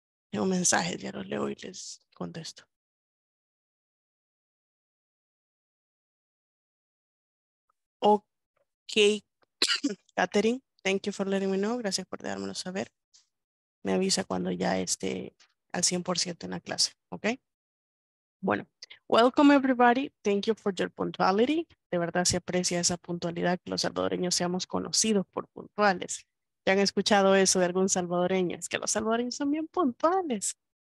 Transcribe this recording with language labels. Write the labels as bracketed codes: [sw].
[es] Tengo mensajes, ya los leo y les contesto. [en] Ok, Katherine, thank you for letting me know. [es] Gracias por dármelo saber. Me avisa cuando ya esté al 100% en la clase, ok? [en] Bueno, welcome everybody. Thank you for your punctuality. [es] De verdad se aprecia esa puntualidad que los salvadoreños seamos conocidos por puntuales. ¿Ya han escuchado eso de algún salvadoreño? Es que los salvadoreños son bien puntuales.